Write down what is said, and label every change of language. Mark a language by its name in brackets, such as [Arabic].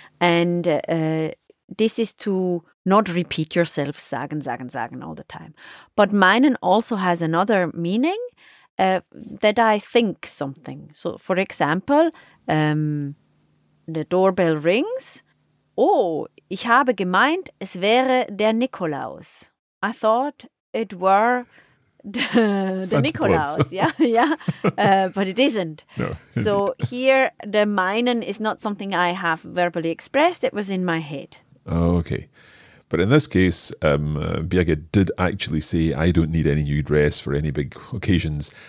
[English] And this is to not repeat yourself, [German] sagen, sagen, sagen [English] all the time. But meinen also has another meaning, that I think something. So, for example, the doorbell rings. [German] Oh, ich habe gemeint, es wäre der Nikolaus. [English] I thought it were the Nikolaus. Claus. Yeah, yeah. But it isn't. No, so here, the meinen is not something I have verbally expressed. It was in my head. Oh, okay. But in this case, Birgit did actually say, I don't need any new dress for any big occasions.